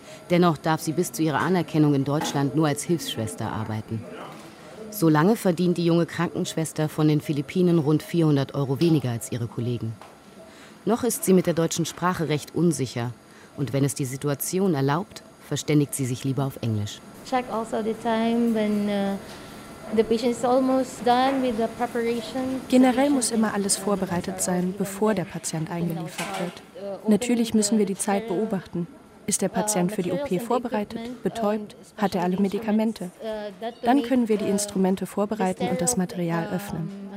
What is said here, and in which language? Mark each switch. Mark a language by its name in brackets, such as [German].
[German] Dennoch darf sie bis zu ihrer Anerkennung in Deutschland nur als Hilfsschwester arbeiten. Solange verdient die junge Krankenschwester von den Philippinen rund 400 Euro weniger als ihre Kollegen. Noch ist sie mit der deutschen Sprache recht unsicher. Und wenn es die Situation erlaubt, verständigt sie sich lieber auf Englisch. [English] Check also the time when the patient is almost done with the preparation. [German] Generell muss immer alles vorbereitet sein, bevor der Patient eingeliefert wird. Natürlich müssen wir die Zeit beobachten. Ist der Patient für die OP vorbereitet, betäubt, hat er alle Medikamente? Dann können wir die Instrumente vorbereiten und das Material öffnen.